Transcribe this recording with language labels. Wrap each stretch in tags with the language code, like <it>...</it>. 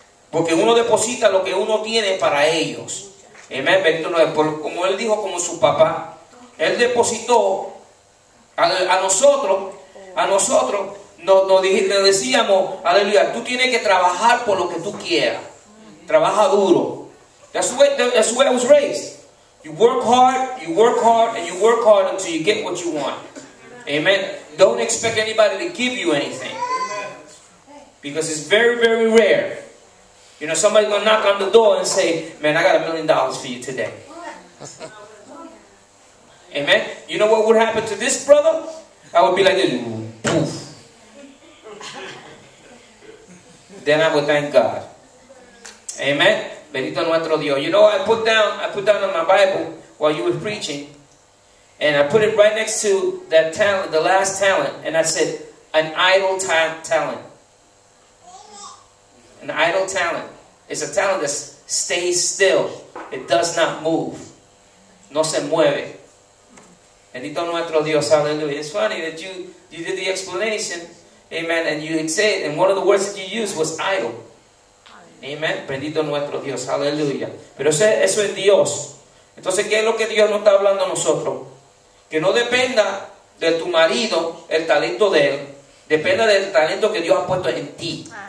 <es>Porque uno deposita lo que uno tiene para ellos. Amén. Bendito no es. Como él dijo, como su papá. Él depositó a nosotros. Nos decíamos, aleluya, tú tienes que trabajar por lo que tú quieras. Trabaja duro.</es> <en>That's the way I was raised. You work hard until you get what you want. Amen. Don't expect anybody to give you anything. Because it's very, very rare. You know, somebody's going to knock on the door and say, man, I got $1 million for you today. Amen. You know what would happen to this brother? I would be like, poof. Then I would thank God. Amen.</en> <es>Bendito nuestro Dios.</es> <en>You know, I put down on my Bible while you were preaching, and I put it right next to that talent, the last talent, and I said, an idle talent. An idle talent. It's a talent that stays still. It does not move.</en> <es>No se mueve. Bendito nuestro Dios.</es> <en>Hallelujah. It's funny that you did the explanation. Amen. And you say it. And one of the words that you used was idle.</en> <es>Amen. Bendito nuestro Dios. Hallelujah. Pero eso es Dios. Entonces, ¿qué es lo que Dios nos está hablando a nosotros? Que no dependa de tu marido, el talento de él. Depende del talento que Dios ha puesto en ti.</es>